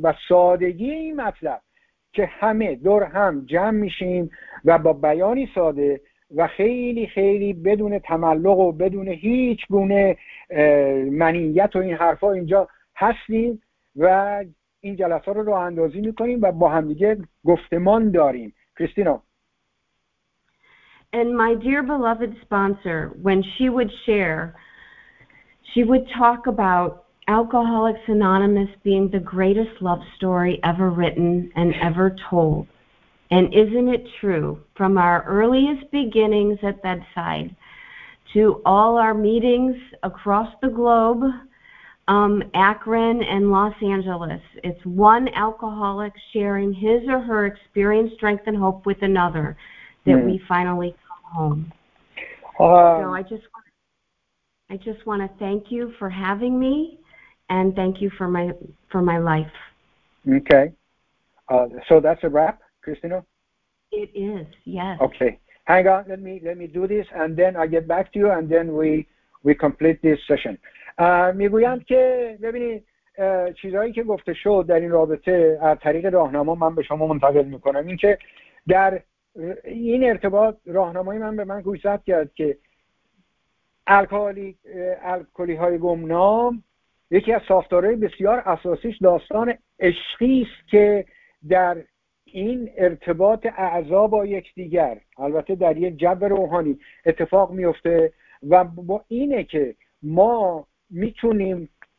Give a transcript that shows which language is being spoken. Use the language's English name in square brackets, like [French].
[Persian] و سادگی این مطلب که همه دور هم جمع میشیم و با بیانی ساده و خیلی خیلی بدون تملق و بدون هیچ گونه منیت و این حرفا اینجا هستیم و این جلسات رو راه اندازی میکنیم و با همدیگه گفتمان داریم. کریستینا. [English] And my dear beloved sponsor, when she would share, she would talk about Alcoholics Anonymous being the greatest love story ever written and ever told. And isn't it true, from our earliest beginnings at bedside to all our meetings across the globe, Akron and Los Angeles, it's one alcoholic sharing his or her experience, strength, and hope with another that we finally come home. So I just want to thank you for having me, and thank you for my life. Okay. So that's a wrap, Christina? It is, yes. Okay. Hang on, let me do this, and then I get back to you, and then we complete this session. [Persian] میگویند که ببینید چیزهایی که گفته شد در این رابطه از طریق راهنما من به شما منتقل میکنم. این که در این ارتباط راهنمای من به من گوشزد کرد که الکلی های گمنام یکی از ساختارهای بسیار اساسیش داستان عشقی است که در این ارتباط اعضا با یکدیگر، البته در یک جو روحانی، اتفاق میفته و با اینه که ما میتونیم